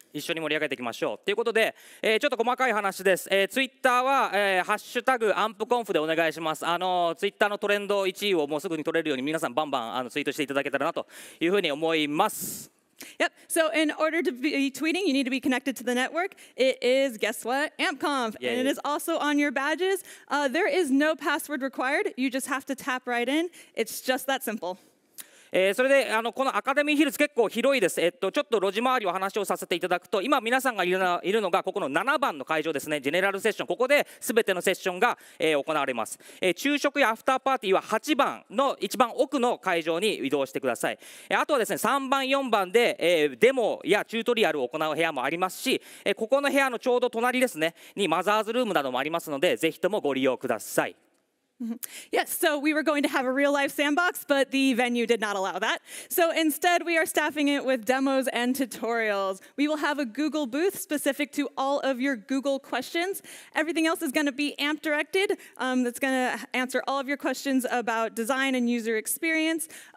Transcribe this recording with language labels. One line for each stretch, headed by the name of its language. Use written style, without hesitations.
Japanese: 一緒に盛り上げていきましょう。ということで、ちょっと細かい話です。 Twitter は、ハッシュタグ AMPConf でお願いします。 Twitter のトレンド1位をもうすぐに取れるように皆さんバンバンツイートしていただけたらなというふうに思います。
English: Yep. So in order to be tweeting, you need to be connected to the network. It is, guess what? AmpConf. Yeah, and it is also on your badges. There is no password required. You just have to tap right in. It's just that simple.
Japanese: それでこのアカデミーヒルズ結構広いです。ちょっと路地回りを話をさせていただくと、今皆さんがいるのがここの7番の会場ですね。ジェネラルセッション、ここで全てのセッションが、行われます。昼食やアフターパーティーは8番の一番奥の会場に移動してください。あとはですね、3番4番で、デモやチュートリアルを行う部屋もありますし、ここの部屋のちょうど隣ですねにマザーズルームなどもありますので、ぜひともご利用ください。
English: Yes, so we were going to have a real life sandbox, but the venue did not allow that. So instead, we are staffing it with demos and tutorials. We will have a Google booth specific to all of your Google questions. Everything else is going to be AMP directed. That's going to answer all of your questions about design and user experience.